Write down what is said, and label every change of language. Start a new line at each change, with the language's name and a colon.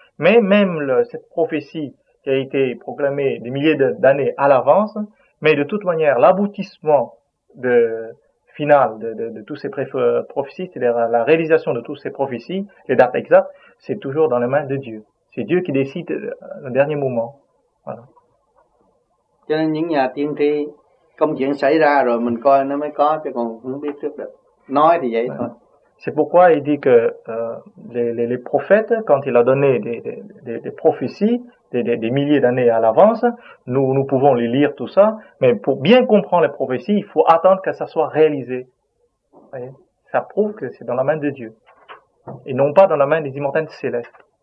French: Mais même cette prophétie qui a été proclamée des milliers d'années à l'avance, mais de toute manière, l'aboutissement final de toutes ces prophéties, c'est-à-dire la réalisation de toutes ces prophéties, les dates exactes, c'est toujours dans les mains de Dieu. C'est Dieu qui décide le dernier moment. Voilà.
Vietnamese: Cho nên những nhà tiên tri, công chuyện xảy ra rồi mình coi nó mới có, chứ còn không biết trước được. Nói thì vậy thôi.
French: C'est pourquoi il dit que les prophètes, quand il a donné des prophéties, des milliers d'années à l'avance, nous pouvons les lire tout ça, mais pour bien comprendre les prophéties, il faut attendre que ça soit réalisé. Vous voyez? Ça prouve que c'est dans la main de Dieu, et non pas dans la main des immortels célestes.